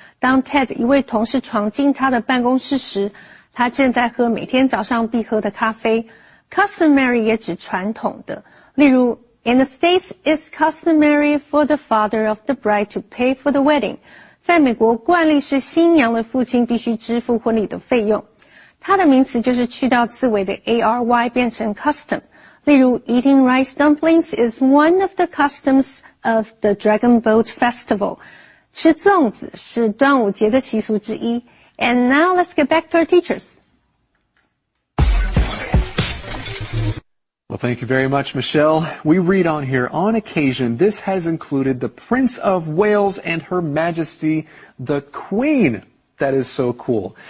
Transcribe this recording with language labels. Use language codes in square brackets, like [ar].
[zh] 当 Ted 一位同事闯进他的办公室时, 他正在喝每天早上必喝的咖啡。 [en] Customary [zh] 也指传统的, 例如, [en] In the States, it's customary for the father of the bride to pay for the wedding. [zh] 在美国,惯例是新娘的父亲必须支付婚礼的费用。它的名词就是去掉字尾的ary 变成custom。例如, [en] eating rice dumplings is one of the customs of the Dragon Boat Festival. [zh] 吃粽子是端午节的习俗之一。 [en] And now let's get back to our teachers. Well, thank you very much, Michelle. We read on here, on occasion, this has included the Prince of Wales and Her Majesty the Queen. That is so cool.